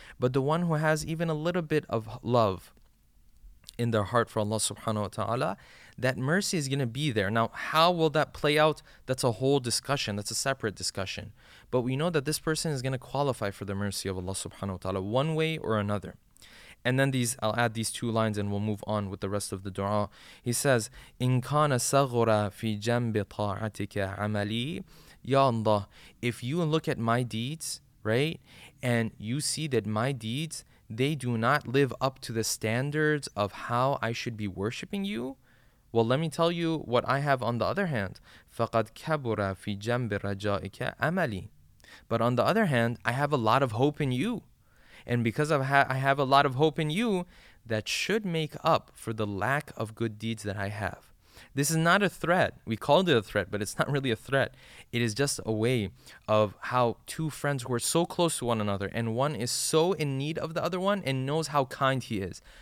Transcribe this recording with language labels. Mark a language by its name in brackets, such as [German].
[English] But the one who has even a little bit of love in their heart for Allah subhanahu wa ta'ala, that mercy is going to be there. Now, how will that play out? That's a whole discussion. That's a separate discussion. But we know that this person is going to qualify for the mercy of Allah subhanahu wa ta'ala one way or another. And then I'll add these two lines and we'll move on with the rest of the dua. He says, [Arabic] إِنْ كَانَ سَغْرَ فِي جَنْبِ طَاعَتِكَ عَمَلِي يَا اللَّهُ. [English] If you look at my deeds, right, and you see that my deeds, they do not live up to the standards of how I should be worshipping you, well, let me tell you what I have on the other hand. [Arabic] فَقَدْ كَبُرَ فِي جَنْبِ رَجَائِكَ عَمَلِي. [English] But on the other hand, I have a lot of hope in you. And because I have a lot of hope in you, that should make up for the lack of good deeds that I have. This is not a threat. We called it a threat, but it's not really a threat. It is just a way of how two friends who are so close to one another, and one is so in need of the other one and knows how kind he is.